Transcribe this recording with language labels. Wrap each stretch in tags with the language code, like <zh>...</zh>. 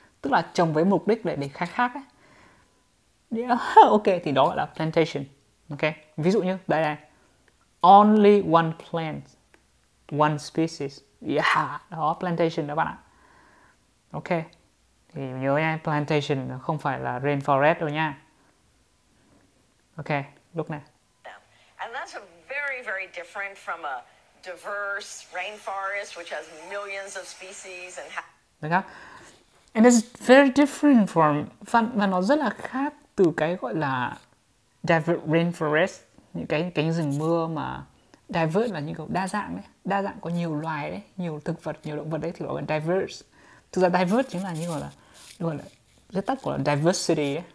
<vi>Tức là trồng với mục đích để khai thác ấy.</vi> <en>Yeah.</en> <vi>Ok, thì đó gọi là plantation. Ok. Ví dụ như đây này.</vi> <en>only one plant, one species.</en> <vi>Yeah, đó, plantation đó bạn ạ. Ok, thì nhớ nha, plantation không phải là rainforest đâu nha. Ok, lúc này.</vi> <en>And that's a very, very different from a diverse rainforest which has millions of species and...</en> <vi>Được không?</vi> <en>And it's very different from...</en> <vi>Và nó rất là khác từ cái gọi là diverse rainforest, những cái cánh rừng mưa mà diverse là những cái đa dạng đấy, đa dạng có nhiều loài đấy, nhiều thực vật, nhiều động vật đấy thì gọi là diverse. Thực ra diverse chính là như gọi là viết tắt của là diversity, ấy.</vi>